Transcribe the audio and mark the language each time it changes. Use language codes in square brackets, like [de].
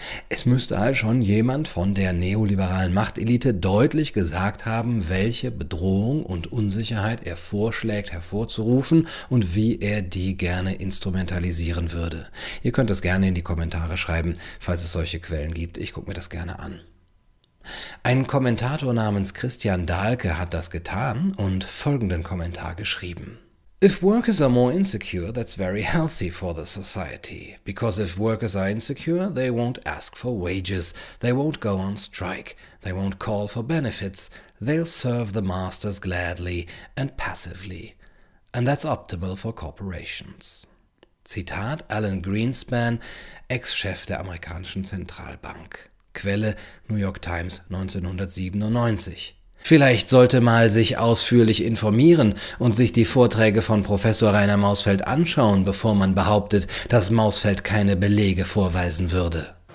[de] Es müsste halt schon jemand von der neoliberalen Machtelite deutlich gesagt haben, welche Bedrohung und Unsicherheit er vorschlägt hervorzurufen und wie er die gerne instrumentalisieren würde. Ihr könnt das gerne in die Kommentare schreiben, falls es solche Quellen gibt. Ich gucke mir das gerne an. Ein Kommentator namens Christian Dahlke hat das getan und folgenden Kommentar geschrieben. [en] If workers are more insecure, that's very healthy for the society. Because if workers are insecure, they won't ask for wages, they won't go on strike, they won't call for benefits, they'll serve the masters gladly and passively. And that's optimal for corporations. [de] Zitat Alan Greenspan, Ex-Chef der amerikanischen Zentralbank. Quelle New York Times 1997. Vielleicht sollte mal sich ausführlich informieren und sich die Vorträge von Professor Rainer Mausfeld anschauen, bevor man behauptet, dass Mausfeld keine Belege vorweisen würde.